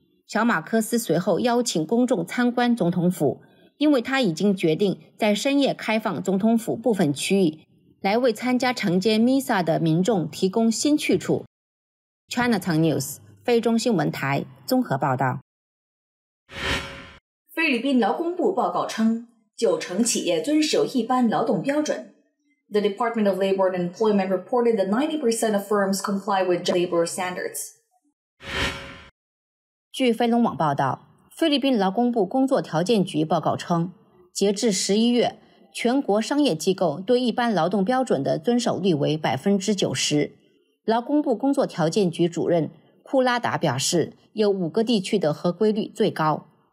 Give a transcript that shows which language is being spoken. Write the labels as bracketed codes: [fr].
[zh] 小马克思随后邀请公众参观总统府，因为他已经决定在深夜开放总统府部分区域，来为参加晨间弥撒的民众提供新去处。 Cntv 菲中新闻台综合报道。菲律宾劳工部报告称，九成企业遵守一般劳动标准。 [en] The Department of Labor and Employment reported that 90% of firms comply with labor standards. [zh] 据飞龙网报道，菲律宾劳工部工作条件局报告称，截至11月，全国商业机构对一般劳动标准的遵守率为 90%。劳工部工作条件局主任库拉达表示，有五个地区的合规率最高。